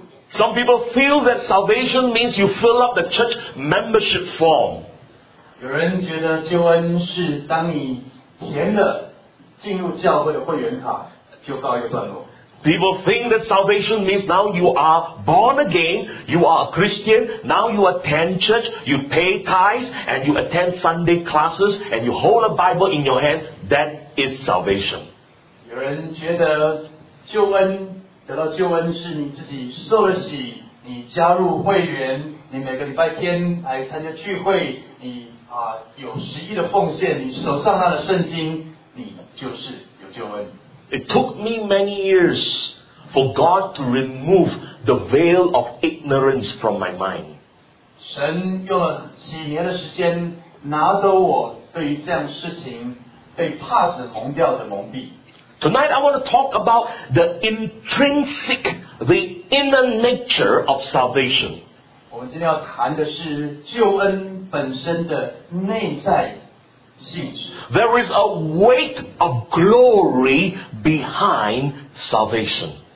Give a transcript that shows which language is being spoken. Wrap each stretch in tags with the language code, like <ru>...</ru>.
<en>Some people feel that salvation means you fill up the church membership form.</en> <zh>有人觉得救恩是当你填了进入教会的会员卡就告一段落。</zh> <en>People think that salvation means now you are born again, you are a Christian, now you attend church, you pay tithes, and you attend Sunday classes, and you hold a Bible in your hand, that is salvation.</en> <zh>有人觉得救恩得到救恩是你自己受了洗，你加入会员，你每个礼拜天来参加聚会，你有十一的奉献，你手上拿的圣经，你就是有救恩。</zh> <en>It took me many years for God to remove the veil of ignorance from my mind.</en> <zh>神用了几年的时间拿走我对于这样事情被帕子蒙掉的蒙蔽。</zh> <en>Tonight I want to talk about the intrinsic, the inner nature of salvation.</en> <zh>我们今天要谈的是救恩本身的内在性质。</zh> <en>There is a weight of glory behind salvation.</en>